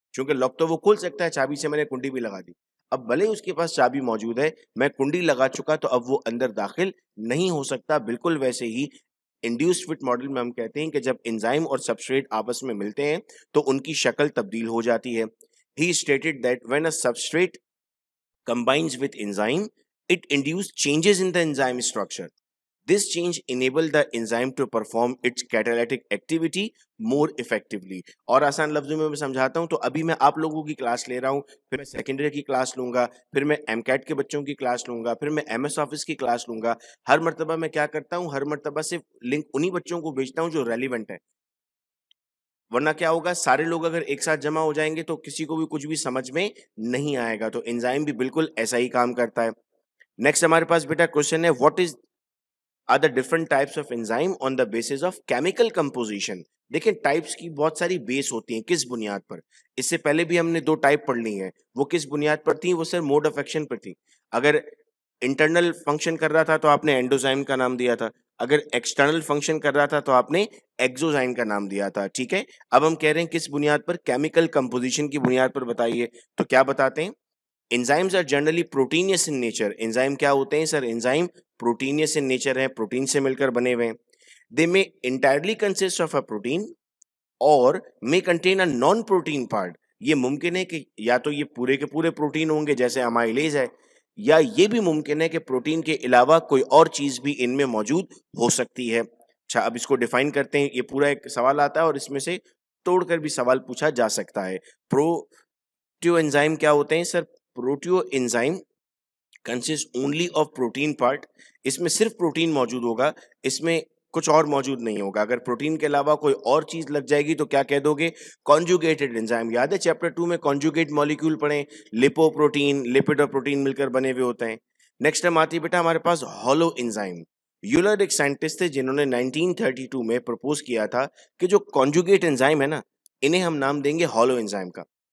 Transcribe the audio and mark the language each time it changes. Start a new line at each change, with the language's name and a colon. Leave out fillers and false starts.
Hindi: क्योंकि लॉक तो वो खोल सकता है, चाबी से मैंने कुंडी भी लगा दी। अब भले ही उसके पास चाबी मौजूद है, मैं कुंडी लगा चुका तो अब वो अंदर दाखिल नहीं हो सकता। बिल्कुल वैसे ही इंड्यूस्ड फिट मॉडल में हम कहते हैं कि जब एंजाइम और सबस्ट्रेट आपस में मिलते हैं तो उनकी शक्ल तब्दील हो जाती है।
English: He stated that when a substrate combines with enzyme, it induce changes in the enzyme structure. This change enable the enzyme to perform its catalytic activity more effectively.
Hindi: और आसान लफ्जों में मैं समझाता हूँ, तो अभी मैं आप लोगों की क्लास ले रहा हूँ, फिर मैं सेकेंडरी की क्लास लूंगा, फिर मैं एमकैट के बच्चों की क्लास लूंगा, फिर मैं एमएस ऑफिस की क्लास लूंगा। हर मरतबा मैं क्या करता हूँ, हर मरतबा सिर्फ लिंक उन्हीं बच्चों को भेजता हूँ जो रेलिवेंट है, वरना क्या होगा, सारे लोग अगर एक साथ जमा हो जाएंगे तो किसी को भी कुछ भी समझ में नहीं आएगा। तो एंजाइम भी बिल्कुल ऐसा ही काम करता है। नेक्स्ट हमारे पास बेटा क्वेश्चन है,
English: What is Are the different types of enzyme on the basis of chemical composition?
Hindi: देखें types की बहुत सारी base होती हैं, किस बुनियाद पर? इससे पहले भी हमने दो type पढ़ ली हैं, वो किस बुनियाद पर थी? वो सर mode of action पर थी। अगर internal function कर रहा था तो आपने endozyme का नाम दिया था, अगर external function कर रहा था तो आपने exozyme का नाम दिया था, ठीक है? अब हम कह रहे हैं किस बुनियाद पर, chemical composition की बुनियाद पर बताइए। तो क्या बताते हैं,
English: Enzymes are generally proteinous in nature.
Hindi: Enzyme क्या होते हैं sir? Enzyme
English: proteinous in nature
Hindi: है, protein से मिलकर बने हुए हैं।
English: They may entirely consist of a protein or may contain a non-protein part.
Hindi: ये मुमकिन है कि या तो ये पूरे के पूरे protein होंगे जैसे amylase है, या ये भी मुमकिन है कि protein के अलावा कोई और चीज भी इनमें मौजूद हो सकती है। अच्छा अब इसको define करते हैं, ये पूरा एक सवाल आता है और इसमें से तोड़कर भी सवाल पूछा जा सकता है। Proteoenzyme क्या होते हैं sir?
English: Proteoenzyme consists only of protein part.
Hindi: इसमें सिर्फ protein मौजूद होगा, इसमें कुछ और मौजूद नहीं होगा। अगर protein के अलावा कोई और चीज लग जाएगी तो क्या कह दोगे? Conjugated enzyme. याद है chapter 2 में conjugate molecule पढ़े, lipoprotein, lipid और protein मिलकर बने हुए होते हैं। Next हम आती है बेटा हमारे पास hollow enzyme. यूलर एक साइंटिस्ट थे जिन्होंने 1932 में प्रपोज किया था कि जो conjugate enzyme है ना, इन्हें हम नाम देंगे hollow enzyme का।